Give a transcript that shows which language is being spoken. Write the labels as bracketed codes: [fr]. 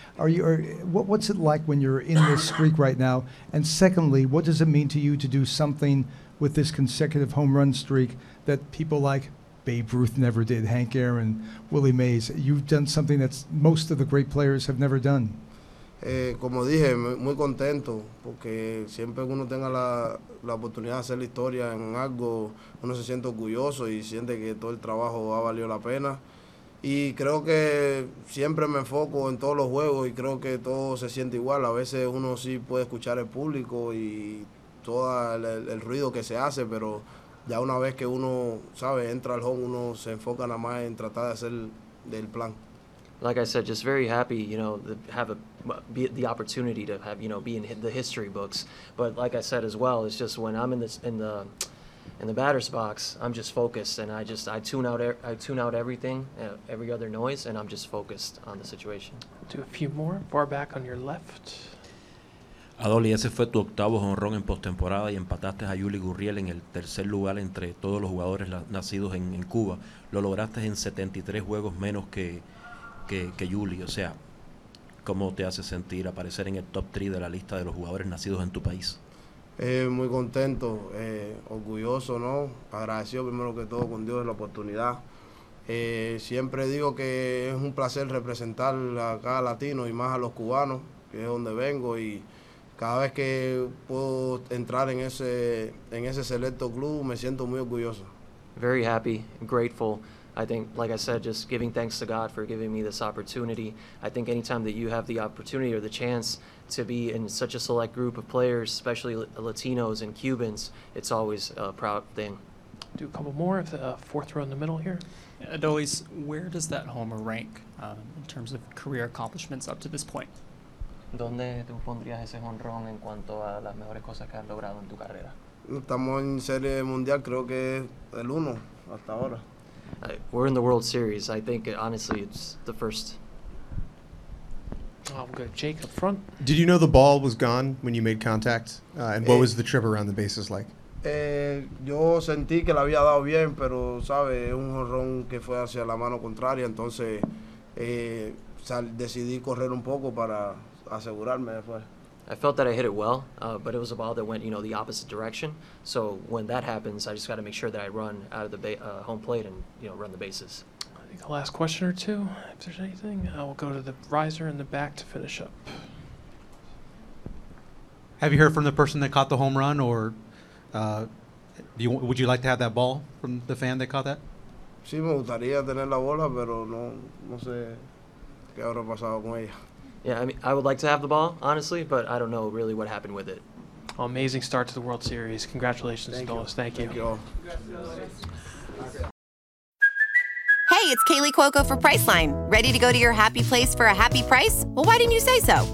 [en] What's it like when you're in this streak right now? And secondly, what does it mean to you to do something with this consecutive home run streak that people like Babe Ruth never did, Hank Aaron, Willie Mays? You've done something that most of the great players have never done. [es] Como dije, muy contento, porque siempre que uno tenga la oportunidad de hacer la historia en algo, uno se siente orgulloso y siente que todo el trabajo ha valido la pena. Y creo que siempre me enfoco en todos los juegos y creo que todo se siente igual. A veces uno sí puede escuchar el público y todo el ruido que se hace, pero ya una vez que uno, ¿sabe?, entra al home, uno se enfoca nada más en tratar de hacer del plan. [en] Like I said, just very happy, you know, to have the opportunity to have, you know, be in the history books. But like I said as well, it's just when I'm in the batter's box, I'm just focused, and I tune out everything, every other noise, and I'm just focused on the situation. Do a few more. Far back on your left. [es] Adolis, ese fue tu octavo jonrón en postemporada y empataste a Yuli Gurriel en el tercer lugar entre todos los jugadores nacidos en Cuba. Lo lograste en 73 juegos menos que Yuli, o sea, ¿cómo te hace sentir aparecer en el top 3 de la lista de los jugadores nacidos en tu país? Muy contento, orgulloso, ¿no? Agradecido primero que todo con Dios de la oportunidad. Siempre digo que es un placer representar a cada latino y más a los cubanos, que es donde vengo, y cada vez que puedo entrar en ese selecto club me siento muy orgulloso. [en] Very happy, grateful. I think, like I said, just giving thanks to God for giving me this opportunity. I think anytime that you have the opportunity or the chance to be in such a select group of players, especially Latinos and Cubans, it's always a proud thing. Do a couple more of the fourth row in the middle here. Adolis, where does that homer rank in terms of career accomplishments up to this point? [es] ¿Dónde tú pondrías ese jonrón en cuanto a las mejores cosas que has logrado en tu carrera? Estamos en Serie Mundial, creo que el uno hasta ahora. [en] We're in the World Series. I think, honestly, it's the first. Oh, we'll go Jake up front. Did you know the ball was gone when you made contact? And what was the trip around the bases like? [es] Yo sentí que la había dado bien, pero, ¿sabe? Un jonrón que fue hacia la mano contraria. Entonces, decidí correr un poco para asegurarme después. [en] I felt that I hit it well, but it was a ball that went, you know, the opposite direction. So when that happens, I just got to make sure that I run out of the home plate and, you know, run the bases. I think a last question or two, if there's anything. We'll go to the riser in the back to finish up. Have you heard from the person that caught the home run, or would you like to have that ball from the fan that caught that? [es] Sí, me gustaría tener la bola, pero no sé qué habrá pasado con ella. [en] Yeah, I mean, I would like to have the ball, honestly, but I don't know really what happened with it. Well, amazing start to the World Series. Congratulations, Adolis. Thank you. Hey, it's Kaylee Cuoco for Priceline. Ready to go to your happy place for a happy price? Well, why didn't you say so?